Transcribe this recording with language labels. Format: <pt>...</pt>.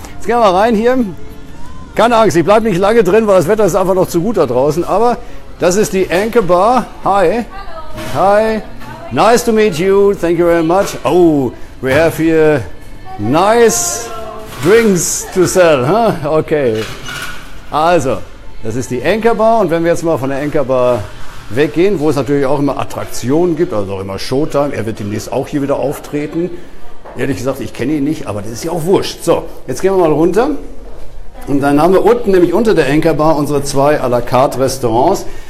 <de>Jetzt gehen wir mal rein hier. Keine Angst, ich bleibe nicht lange drin, weil das Wetter ist einfach noch zu gut da draußen. Aber das ist die Anchor Bar.</de> <en>Hi. Hello. Hi. Nice to meet you. Thank you very much. Oh, we have here nice drinks to sell. Huh? Okay.</en> <de>Also, das ist die Anchor Bar. Und wenn wir jetzt mal von der Anchor Bar weggehen, wo es natürlich auch immer Attraktionen gibt, also auch immer Showtime. Er wird demnächst auch hier wieder auftreten. Ehrlich gesagt, ich kenne ihn nicht, aber das ist ja auch wurscht. So, jetzt gehen wir mal runter. Und dann haben wir unten, nämlich unter der Anchor Bar, unsere 2 à la carte Restaurants.</de>